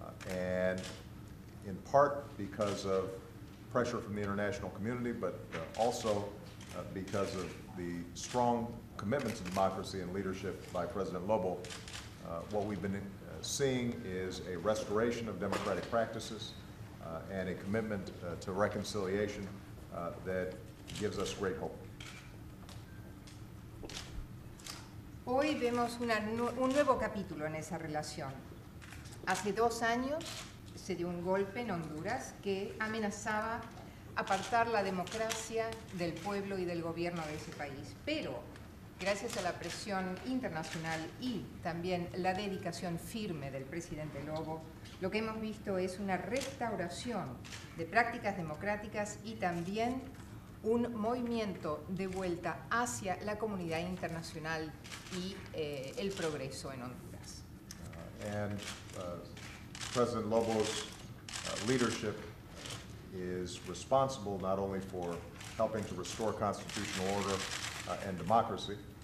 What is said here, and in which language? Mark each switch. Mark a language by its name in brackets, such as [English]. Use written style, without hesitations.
[English] And in part because of pressure from the international community, but also because of the strong commitment to democracy and leadership by President Lobo, what we've been seeing is a restoration of democratic practices and a commitment to reconciliation that gives us great hope. [Spanish] Hoy vemos un nuevo capítulo en esa relación. Hace dos años se dio un golpe en Honduras que amenazaba apartar la democracia del pueblo y del gobierno de ese país. Pero gracias a la presión internacional y también la dedicación firme del presidente Lobo, lo que hemos visto es una restauración de prácticas democráticas y también un movimiento de vuelta hacia la comunidad internacional y el progreso en Honduras. [English] And President Lobo's leadership is responsible not only for helping to restore constitutional order and democracy,